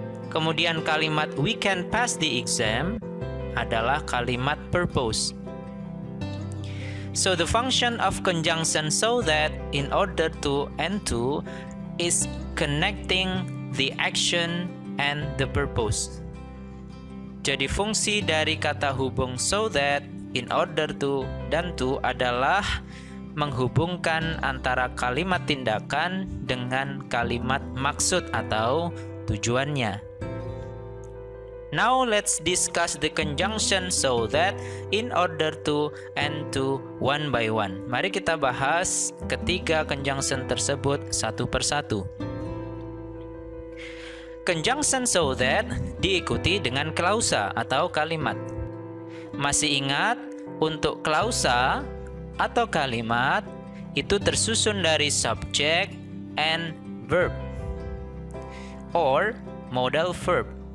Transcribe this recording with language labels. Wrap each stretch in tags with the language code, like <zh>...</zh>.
<id>Kemudian kalimat</id> <en>we can pass the exam</en> <id>adalah kalimat purpose.</id> <en>So the function of conjunction so that, in order to, and to is connecting the action and the purpose.</en> <id>Jadi fungsi dari kata hubung so that, in order to, dan to adalah menghubungkan antara kalimat tindakan dengan kalimat maksud atau tujuannya.</id> <en>Now let's discuss the conjunction so that, in order to, and to one by one.</en> <id>Mari kita bahas ketiga conjunction tersebut satu per satu. Conjunction so that diikuti dengan klausa atau kalimat. Masih ingat, untuk klausa atau kalimat itu tersusun dari</id> <en>subject and verb or modal verb.</en>